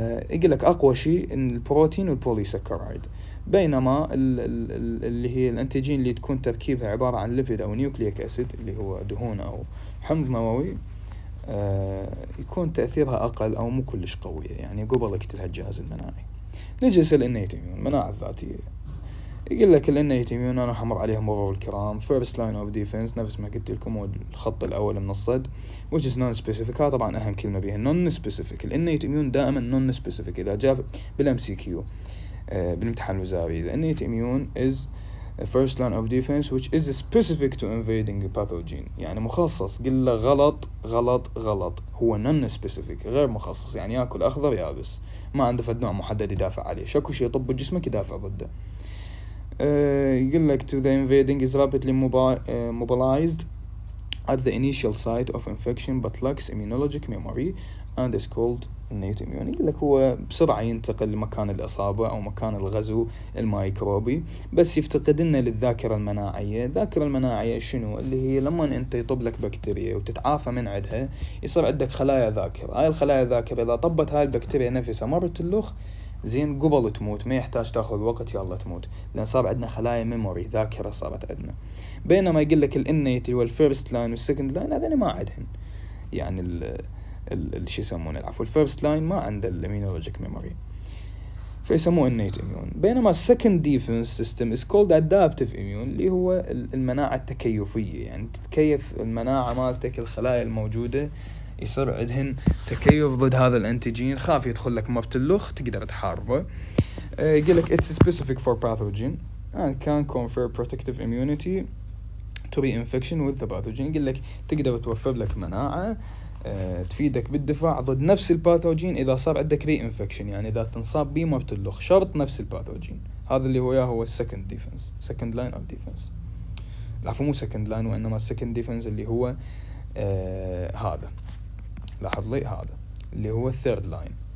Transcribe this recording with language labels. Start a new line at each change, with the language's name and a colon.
Arabic: يقول لك اقوى شيء ان البروتين والبولي سكرايد، بينما اللي هي الانتيجين اللي تكون تركيبها عباره عن ليبيد او نيوكليك اسيد اللي هو دهون او حمض نووي، يكون تأثيرها أقل أو مو كلش قوية، يعني قبل يقتلها الجهاز المناعي. نجي نسأل innate immune، مناعة ذاتية. يقول لك innate immune، أنا حمر عليهم مرور الكرام،
English: first line of defense
Arabic: نفس ما قلت لكم، هو الخط الأول من الصد،
English: which is non-specific.
Arabic: ها طبعا أهم كلمة بيها non-specific.
English: innate immune
Arabic: دائما
English: non-specific.
Arabic: إذا جاء بالMCQ بالامتحان الوزاري،
English: the innate immune is first line of defense which is specific to invading pathogen،
Arabic: يعني مخصص. قل له غلط غلط غلط، هو non specific، غير مخصص، يعني ياكل اخضر يابس، ما عنده فد نوع محدد يدافع عليه، شكو شيء يطب جسمك يدافع ضده. يقول لك
English: to the invading is rapidly mobilized at the initial site of infection but lacks immunologic memory and is called innate immune.
Arabic: يقول لك هو بسرعة ينتقل لمكان الإصابة أو مكان الغزو الميكروبي، بس يفتقد لنا للذاكرة المناعية. الذاكرة المناعية شنو؟ اللي هي لما أنت يطب لك بكتيريا وتتعافى من عندها، يصير عندك خلايا ذاكرة. هاي الخلايا الذاكرة إذا طبت هاي البكتيريا نفسها مرة تلوخ زين، قبل تموت، ما يحتاج تاخذ وقت يلا تموت، لان صار عندنا خلايا ميموري، ذاكره صارت عندنا. بينما يقول لك الانيت والفيرست لاين والسكند لاين، هذين ما عندهم، يعني ال شو يسمونه، العفو، الفيرست لاين ما عنده الاميونولوجيك ميموري، فيسموه انيت اميون. بينما
English: السكند defence system is called adaptive immune,
Arabic: اللي هو المناعه التكيفيه، يعني تتكيف المناعه مالتك، الخلايا الموجوده يصير عندهن تكيف ضد هذا الانتيجين، خاف يدخل لك مرة تلوخ تقدر تحاربه. يقول لك
English: it's specific for pathogen and can confer protective immunity to be infection with the pathogen.
Arabic: يقول لك تقدر توفر لك مناعة تفيدك بالدفاع ضد نفس الباثوجين إذا صار عندك ري انفكشن، يعني إذا تنصاب بي مرة تلوخ، شرط نفس الباثوجين. هذا اللي هو يا هو second defense،
English: second line of defense،
Arabic: العفو مو second line، وإنما second defense اللي هو هذا، لاحظ لي هذا اللي هو الثيرد لاين.